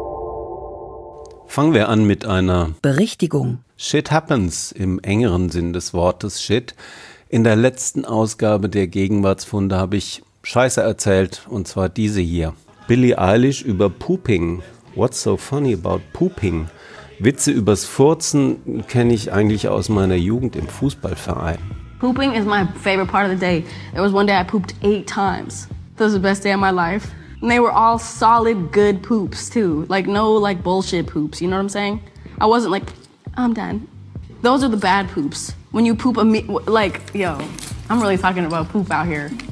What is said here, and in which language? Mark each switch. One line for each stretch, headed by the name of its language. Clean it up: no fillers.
German: Gegenwartsfunde. Fangen wir an mit einer Berichtigung.
English: Shit happens
German: im engeren Sinn des Wortes Shit. In der letzten Ausgabe der Gegenwartsfunde habe ich Scheiße erzählt, und zwar diese hier. Billie Eilish über Pooping.
English: What's so funny about Pooping?
German: Witze übers Furzen kenne ich eigentlich aus meiner Jugend im Fußballverein.
English: Pooping is my favorite part of the day. There was one day I pooped 8 times. That was the best day of my life. And they were all solid, good poops, too. Like, no, like, bullshit poops. You know what I'm saying? I wasn't like, I'm done. Those are the bad poops. When you poop, I'm really talking about poop out here.